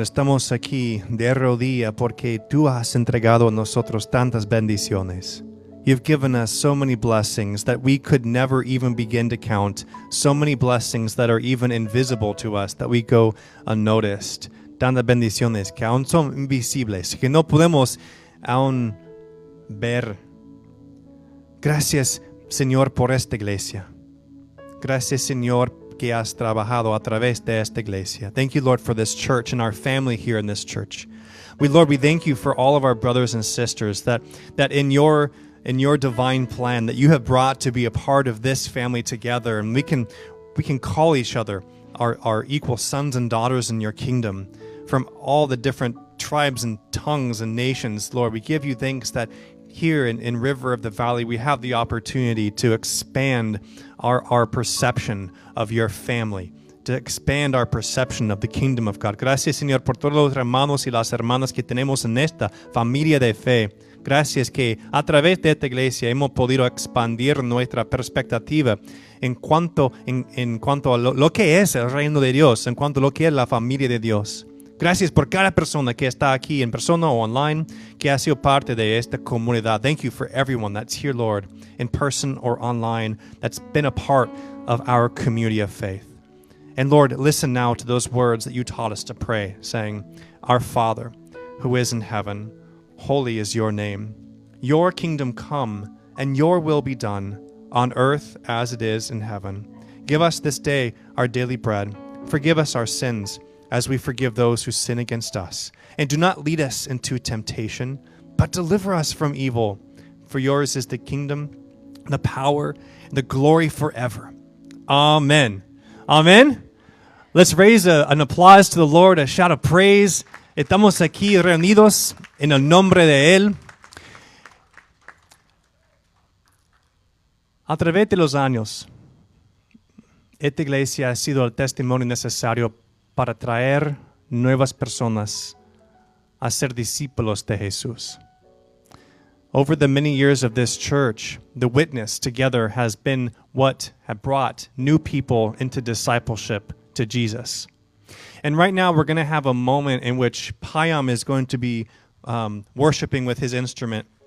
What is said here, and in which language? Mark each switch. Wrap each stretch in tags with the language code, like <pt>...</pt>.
<es>Estamos aquí de rodilla porque tú has entregado a nosotros tantas bendiciones.</es> <en>You've given us so many blessings that we could never even begin to count. So many blessings that are even invisible to us, that we go unnoticed.</en> <es>Tantas bendiciones que aún son invisibles, que no podemos aún ver. Gracias, Señor, por esta iglesia. Gracias, Señor, que has trabajado a través de esta iglesia.</es> <en>Thank you, Lord, for this church and our family here in this church. Lord, we thank you for all of our brothers and sisters that in your divine plan that you have brought to be a part of this family together. And we can call each other our equal sons and daughters in your kingdom from all the different tribes and tongues and nations. Lord, we give you thanks that here in River of the Valley, we have the opportunity to expand our perception of your family, to expand our perception of the kingdom of God.</en> <es>Gracias, Señor, por todos los hermanos y las hermanas que tenemos en esta familia de fe. Gracias que a través de esta iglesia hemos podido expandir nuestra perspectiva en cuanto a lo que es el reino de Dios, en cuanto a lo que es la familia de Dios. Gracias por cada persona que está aquí en persona o online que ha sido parte de esta comunidad.</es> <en>Thank you for everyone that's here, Lord, in person or online, that's been a part of our community of faith. And Lord, listen now to those words that you taught us to pray, saying, Our Father, who is in heaven, holy is your name. Your kingdom come, and your will be done, on earth as it is in heaven. Give us this day our daily bread. Forgive us our sins, as we forgive those who sin against us. And do not lead us into temptation, but deliver us from evil. For yours is the kingdom, the power, and the glory forever. Amen. Amen. Let's raise an applause to the Lord, a shout of praise.</en> <es>Estamos aquí reunidos en el nombre de Él. A través de los años, esta iglesia ha sido el testimonio necesario para traer nuevas personas a ser discípulos de Jesús.</es> <en>Over the many years of this church, the witness together has been what had brought new people into discipleship to Jesus. And right now we're going to have a moment in which Payam is going to be worshiping with his instrument.</en>